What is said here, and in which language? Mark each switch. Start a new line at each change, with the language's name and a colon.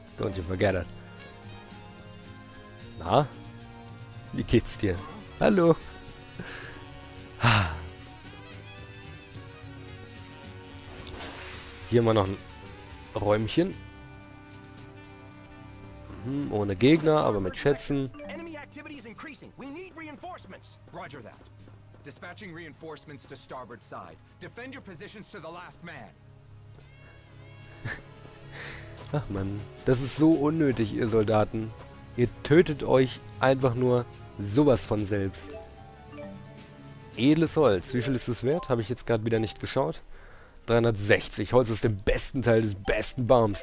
English: Don't you forget it.
German: Na? Wie geht's dir? Hallo. Hier mal noch ein Räumchen. Ohne Gegner, aber mit Schätzen.
English: Enemy activity is increasing. We need reinforcements. Roger that. Dispatching reinforcements to starboard side. Defend your positions to the last man.
German: Ach man, das ist so unnötig, ihr Soldaten. Ihr tötet euch einfach nur sowas von selbst. Edles Holz, wie viel ist es wert? Habe ich jetzt gerade wieder nicht geschaut. 360, Holz ist der beste Teil des besten Baums.